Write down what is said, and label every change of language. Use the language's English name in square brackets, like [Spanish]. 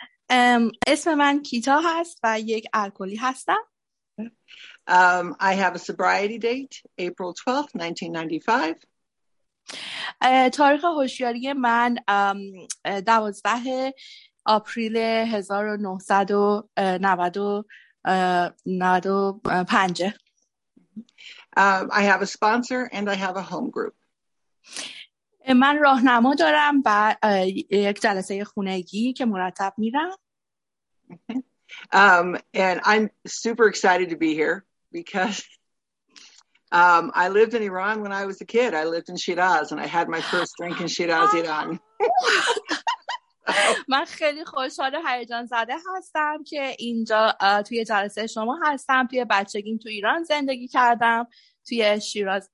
[Persian] اسم من کیتا هست و یک الکلی هستم. [English] I have a sobriety date, April 12th, 1995. [Persian] تاریخ هوشیاری من 12 آپریل 1995. [English] I have a sponsor and I have a home group. [Persian] من راهنما دارم و یک جلسه خانگی که مرتب میرم. [English] And I'm super excited to be here because I lived in Iran when I was a kid. I lived in Shiraz and I had my first drink in Shiraz, Iran. [Persian] من خیلی خوشحال و هیجان زده هستم که اینجا توی جلسه شما هستم. توی بچگیم تو ایران زندگی کردم، توی شیراز.